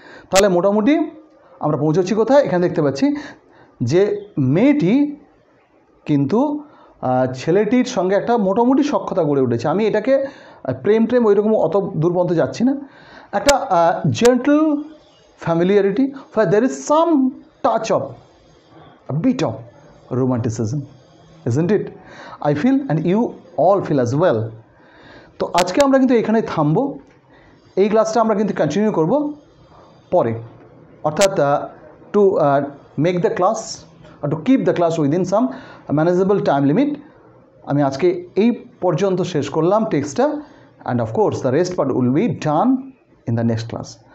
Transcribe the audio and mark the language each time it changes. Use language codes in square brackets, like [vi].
[bn] তাহলে মোটামুটি আমরা পৌঁছচ্ছি কোথায়, এখানে দেখতে পাচ্ছি যে মেয়েটি কিন্তু ছেলেটির সঙ্গে একটা মোটামুটি সখ্যতা গড়ে উঠেছে, আমি এটাকে প্রেম ট্রেম ওই রকম অত দুর্বন্ত যাচ্ছি না, একটা gentle familiarity, [en] For there is some touch of bit of romanticism, isn't it? I feel and you all feel as well. [bn] তো আজকে আমরা কিন্তু এখানে থামবো, এই ক্লাসটা আমরা কিন্তু কন্টিনিউ করবো পরে, অর্থাৎ [en] to make the class to keep the class within some manageable time limit [bn] আমি আজকে এই পর্যন্ত শেষ করলাম টেক্সটটা, [en] And of course the rest part will be done in the next class.